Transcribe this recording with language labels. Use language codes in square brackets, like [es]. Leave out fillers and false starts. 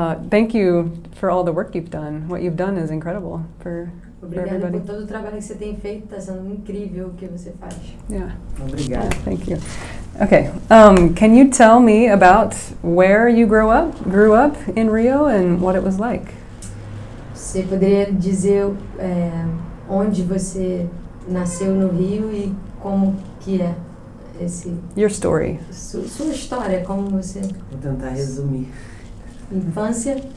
[en] Thank you for all the work you've done. What you've done is incredible for everybody. [pt] Obrigada por todo o trabalho que você tem feito. Está sendo incrível o que você faz. [en] Yeah. [pt] Obrigada. [en] Thank you. Okay. Can you tell me about where you grew up in Rio and what it was like? [pt] Você poderia dizer onde você nasceu no Rio e como que é esse... [en] Your story. [pt] Sua história, como você... Vou tentar resumir. Infância?